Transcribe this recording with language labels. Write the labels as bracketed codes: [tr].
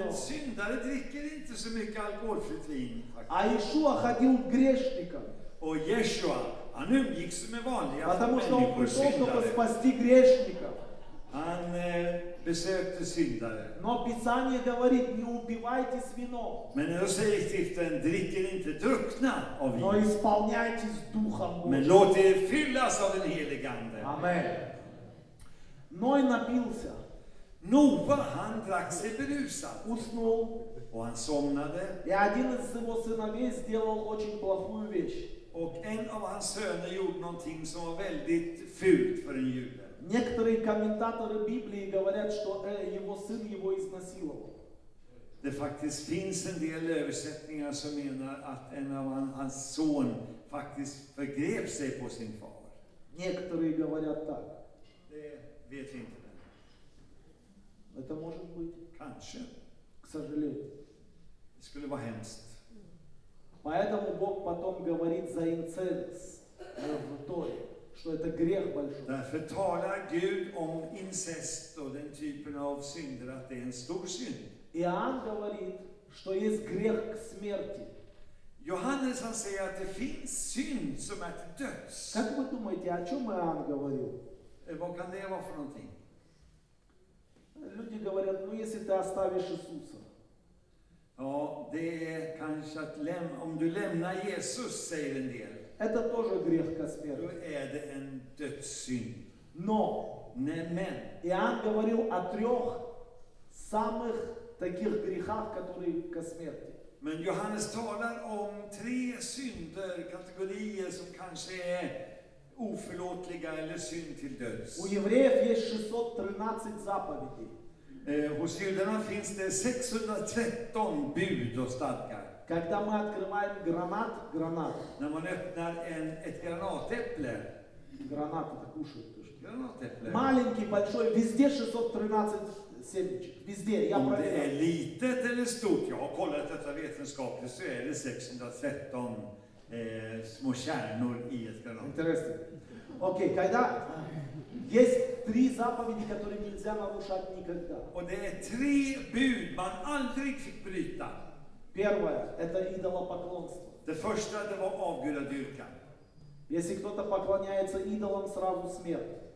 [sv] Men syndare dricker inte så mycket alkoholfritt vin. [ru] А Иешуа ходил к грешникам. [sv] Och Yeshua, han umgicks med vanliga [ru] потому что он пришел, чтобы спасти грешников. [sv] Han besökte syndare. [ru] Но Писание говорит, не упивайтесь вином. [sv] Men när säger skriften, dricker inte druckna av vin. [ru] Но исполняйтесь Духом Божьим. [sv] Men låt er fyllas av den helige Ande. [ru] Amen. Ной напился. [sv] Нова, han drack sig berusad. [ru] Уснул. [sv] Och han somnade. [ru] И один из его сыновей сделал очень плохую вещь. [sv] Och en av hans söner gjorde någonting som var väldigt fult för en jude. [ru] Некоторые комментаторы Библии говорят, что его сын его изнасиловал. [sv] Det faktiskt finns en del översättningar som menar att en av hans son faktiskt förgrep sig på sin far. [ru] Некоторые говорят так. [sv] Det vet vi inte. [ru] Это может быть. [sv] Kanske. [ru] К сожалению. [sv] Det skulle vara hemskt. [ru] Поэтому Бог потом говорит за инцест в Торе. Что это грех большой. [sv] Därför talar Gud om incest och den typen av synder att det är en stor synd. [ru] Иоанн говорит, что есть грех к смерти. [sv] Johannes han säger att det finns synd som är till döds. [ru] Как вы думаете, о чем Иоанн говорил? [sv] Vad kan det vara för någonting? [ru] Люди говорят, ну если ты оставишь Иисуса. [sv] Ja, det är kanske att om du lämnar Jesus, säger en del. [ru] Это тоже грех ко смерти. [sv] Är det en dödssynd. [ru] Но [sv] Nämen. [ru] Иоанн говорил о трех самых таких грехах, которые ко смерти. [sv] Men Johannes talar om tre synder, kategorier som kanske är oförlåtliga eller synd till döds. [ru] У евреев есть 613 заповедей. [sv] Hos judarna finns det 613 bud och stadgar. [ru] Когда мы открываем гранат, гранат. [sv] När man öppnar ett гранатепле. [ru] Гранат это кушает тоже. [sv] Гранатепле. [ru] Маленький, большой, везде 613 семечек. Везде, я проверял. [sv] Om det är litet eller stort, jag har kollat detta vetenskapligt, så är det 613 små kärnor i ett гранат. [ru] Интересно. Окей, когда есть три заповеди, которые нельзя нарушать никогда. [sv] Och det är tre bud man aldrig fick bryta. [ru] Первое – это идолопоклонство. [sv] Det första – det var avgudadyrkan. [ru] Если кто-то поклоняется идолам, сразу смерть.